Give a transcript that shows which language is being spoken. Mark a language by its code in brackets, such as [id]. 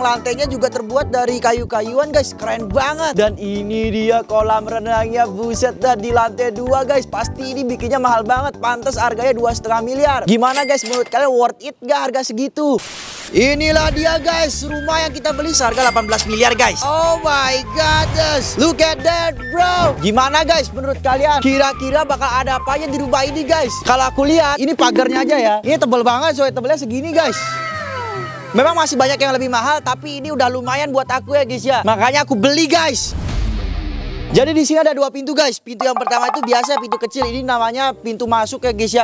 [id] Lantainya juga terbuat dari kayu-kayuan guys. Keren banget. Dan ini dia kolam renangnya, buset. Dan di lantai 2 guys, pasti ini bikinnya mahal banget. Pantes harganya 2,5 miliar. Gimana guys, menurut kalian worth it gak harga segitu? Inilah dia guys, rumah yang kita beli seharga 18 miliar guys. [en] Oh my goodness, look at that bro. [id] Gimana guys menurut kalian? Kira-kira bakal ada apa aja di rumah ini guys? Kalau aku lihat, ini pagarnya aja ya. Ini tebel banget soalnya, tebelnya segini guys. Memang masih banyak yang lebih mahal, tapi ini udah lumayan buat aku ya guys ya. Makanya aku beli guys. Jadi di sini ada dua pintu guys. Pintu yang pertama itu biasa pintu kecil, ini namanya pintu masuk ya guys ya.